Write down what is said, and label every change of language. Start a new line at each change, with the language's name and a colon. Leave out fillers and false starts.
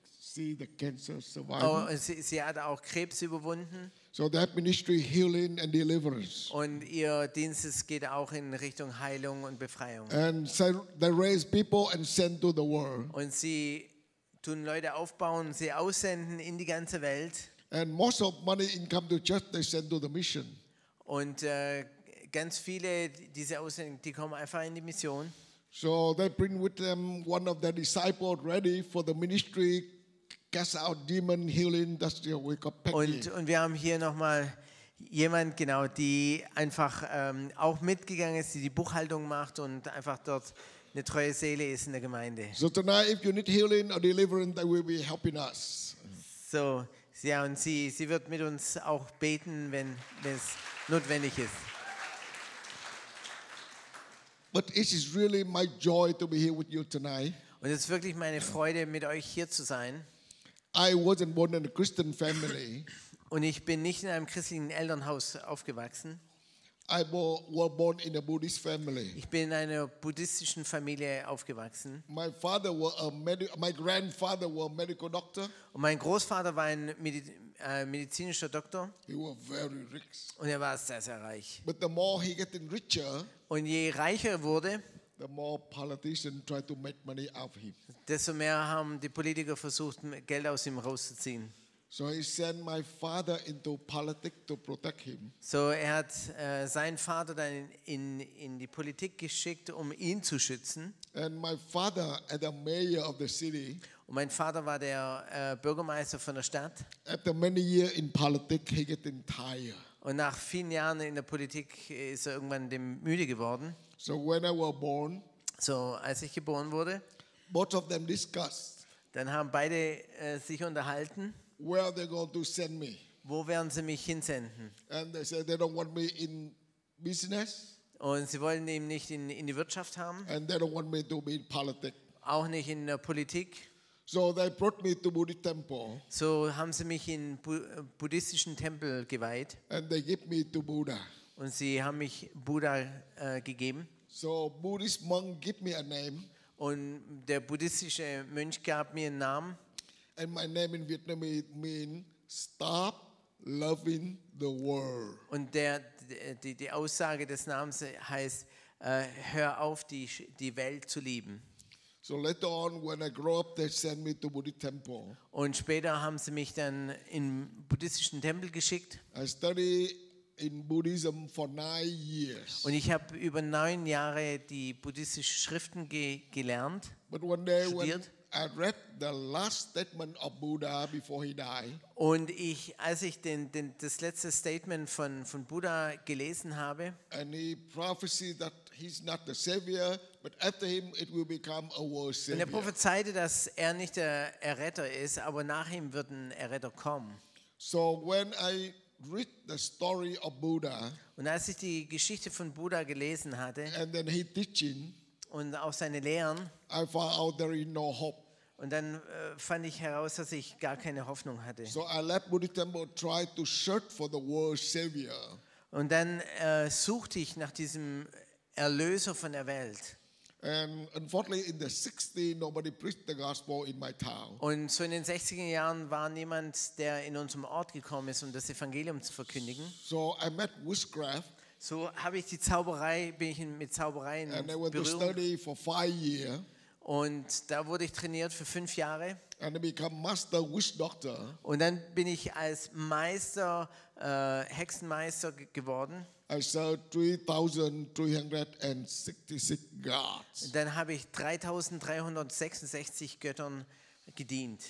German: Sie hat auch Krebs überwunden.
English: So that ministry healing and deliverance.
German: Und ihr Dienst geht auch in Richtung Heilung und Befreiung.
English: And so they raise people and send to the world.
German: Und sie tun Leute aufbauen, sie aussenden in die ganze Welt.
English: And most of money income to church they send to the mission.
German: Und ganz viele diese Aussendungen, die kommen einfach in die Mission.
English: So they bring with them one of their disciples ready for the ministry. Cast out demon healing. That's your wake up, Peggy.
German: Und wir haben hier nochmal jemand genau, die einfach auch mitgegangen ist, die Buchhaltung macht und einfach dort eine treue Seele ist in der Gemeinde.
English: So tonight, if you need healing or deliverance, they will be helping us.
German: So, ja, und sie wird mit uns auch beten, wenn es notwendig ist.
English: But it is really my joy to be here with you tonight.
German: Und es ist wirklich meine Freude, mit euch hier zu sein.
English: I wasn't born in a Christian family.
German: Und ich bin nicht in einem christlichen Elternhaus aufgewachsen.
English: I was born in a Buddhist family.
German: Ich bin in einer buddhistischen Familie aufgewachsen.
English: My grandfather was a medical doctor.
German: Und mein Großvater war ein medizinischer Doktor.
English: He was very rich.
German: Und er war sehr, sehr reich.
English: But the more he getting richer,
German: und je reicher er wurde,
English: the more politicians try to make money out of him.
German: Desto mehr haben die Politiker versucht, Geld aus ihm rauszuziehen.
English: So he sent my father into politics to protect him.
German: So er hat seinen Vater dann in die Politik geschickt, um ihn zu schützen.
English: And my father as the mayor of the city.
German: Und mein Vater war der Bürgermeister von der Stadt.
English: After many years in politics, he got tired.
German: Und nach vielen Jahren in der Politik ist er irgendwann dem müde geworden.
English: So when I was born,
German: so als ich geboren wurde,
English: Both of them discussed.
German: Dann haben beide sich unterhalten.
English: Where are they going to send me?
German: Wo werden sie mich hinsenden?
English: And they said they don't want me in business.
German: Und sie wollen ihn nicht in die Wirtschaft haben.
English: And they don't want me to be in politics.
German: Auch nicht in der Politik.
English: So they brought me to Buddhist temple.
German: So haben sie mich in buddhistischen Tempel geweiht.
English: And they gave me to Buddha.
German: Und sie haben mich Buddha gegeben.
English: So Buddhist monk gave me a name.
German: Und der buddhistische Mönch gab mir einen Namen.
English: And my name in Vietnamese means stop loving the world.
German: Und die Aussage des Namens heißt hör auf die Welt zu lieben.
English: So later on, when I grew up, they sent me to Buddhist temple.
German: Und später haben sie mich dann in buddhistischen Tempel geschickt.
English: I studied in Buddhism for 9 years.
German: Und ich habe über 9 Jahre die buddhistischen Schriften gelernt.
English: But one day,
German: studiert.
English: When I read the last statement of Buddha before he died.
German: Und als ich das letzte Statement von Buddha gelesen habe.
English: And he prophesied that he's not the savior. But after him, it will become a world savior.
German: Und er prophezeite, dass er nicht der Erretter ist, aber nach ihm wird ein Erretter kommen.
English: So when I read the story of Buddha,
German: und als ich die Geschichte von Buddha gelesen hatte,
English: and then his teaching,
German: und auch seine Lehren,
English: I found out there is no hope.
German: Und dann fand ich heraus, dass ich gar keine Hoffnung hatte.
English: So I left Buddha Temple, tried to search for the world savior.
German: Und dann suchte ich nach diesem Erlöser von der Welt.
English: And unfortunately, in the 60s, nobody preached the gospel in my town.
German: Und so in den 60er Jahren war niemand, der in unserem Ort gekommen ist, um das Evangelium zu verkündigen.
English: So I met witchcraft.
German: So habe ich bin ich mit Zauberei in Berührung.
English: And I went to study for 5 years.
German: Und da wurde ich trainiert für 5 Jahre.
English: And I became master witch doctor.
German: Und dann bin ich als Meister Hexenmeister geworden.
English: I saw 3,366 gods.
German: Dann habe ich 3,366 Göttern gedient.